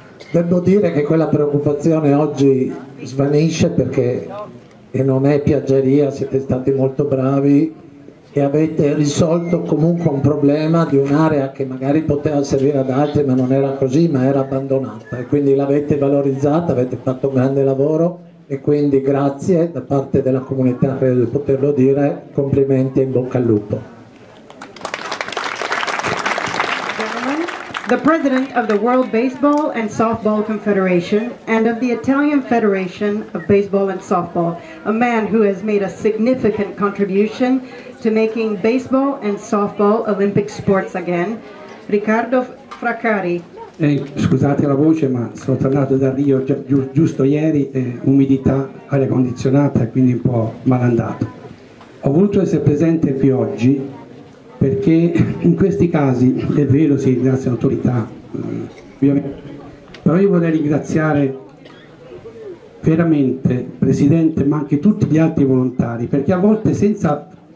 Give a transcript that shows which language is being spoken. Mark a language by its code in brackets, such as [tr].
[it] Devo dire che quella preoccupazione oggi svanisce, perché, e non è piaggeria, siete stati molto bravi e avete risolto comunque un problema di un'area che magari poteva servire ad altri, ma non era così, ma era abbandonata, e quindi l'avete valorizzata, avete fatto un grande lavoro. E quindi grazie da parte della comunità, credo di poterlo dire, complimenti e in bocca al lupo. [en] Gentlemen, the president of the World Baseball and Softball Confederation and of the Italian Federation of Baseball and Softball, a man who has made a significant contribution to making baseball and softball Olympic sports again, Riccardo Fracari. [it] Scusate la voce, ma sono tornato da Rio giusto ieri, e umidità, aria condizionata, quindi un po' malandato. Ho voluto essere presente qui oggi perché in questi casi è vero, si ringrazia l'autorità, però io vorrei ringraziare veramente il presidente, ma anche tutti gli altri volontari, perché a volte, senza,